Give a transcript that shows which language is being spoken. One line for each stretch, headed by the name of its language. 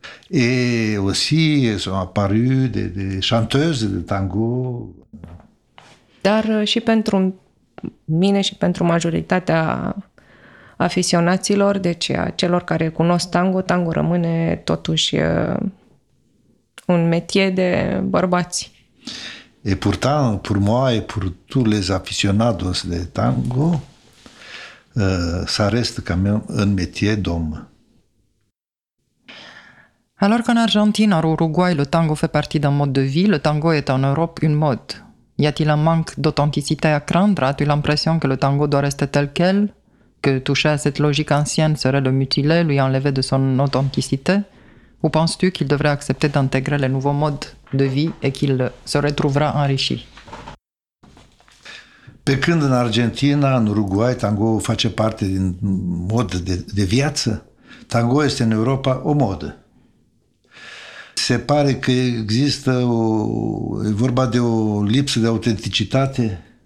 French: Et aussi sont apparues des chanteuses de tango.
Romanian: Dar și pentru mine și pentru majoritatea aficionaților, deci a celor care cunosc tango, tango rămâne totuși un metier de bărbați.
French: Et pourtant, pour moi et pour tous les aficionados de tango, ça reste quand même un métier d'homme. Alors qu'en Argentine, en Uruguay, le tango fait partie d'un mode de vie, le tango est en Europe une mode. Y a-t-il un manque d'authenticité à craindre? As-tu l'impression que le tango doit rester tel quel? Que toucher à cette logique ancienne serait le mutiler, lui enlever de son authenticité? Ou penses-tu qu'il devrait accepter d'intégrer les nouveaux modes de vie et qu'il se retrouvera enrichi?
Romanian: Pe când în Argentina, în Uruguay, tango face parte din mod de viață, tango este în Europa o modă. Se pare că există e vorba de o lipsă de autenticitate.